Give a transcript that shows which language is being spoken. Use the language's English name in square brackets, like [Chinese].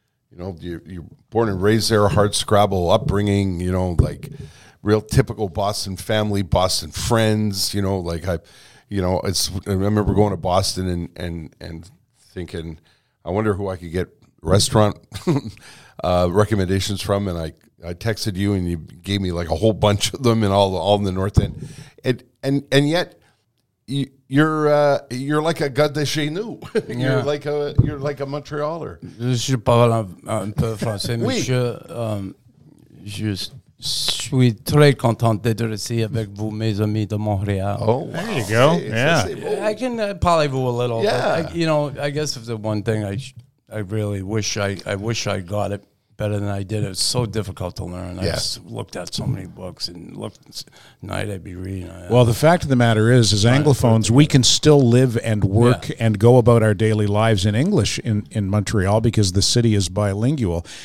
[English] You know, you're born and raised there, hardscrabble upbringing, you know, like real typical Boston family, Boston friends, you know, like I remember going to Boston and thinking, I wonder who I could get restaurant recommendations from. And I texted you and you gave me like a whole bunch of them and all in the North End. And yet, You're like a [French] gars de chez nous. [English] You're like a Montrealer. [French] Je suis pas un peu français, monsieur. Je suis très content d'être ici avec vous, mes amis de Montréal. [English] Oh, wow. There you go. Yeah. I can parler vous a little. Yeah. I guess if the one thing I really wish I got it better than I did. It's so difficult to learn. Yeah. I just looked at so many books and looked night I'd be reading. Well, the fact of the matter is, as Anglophones, we can still live and work and go about our daily lives in English in Montreal because the city is bilingual.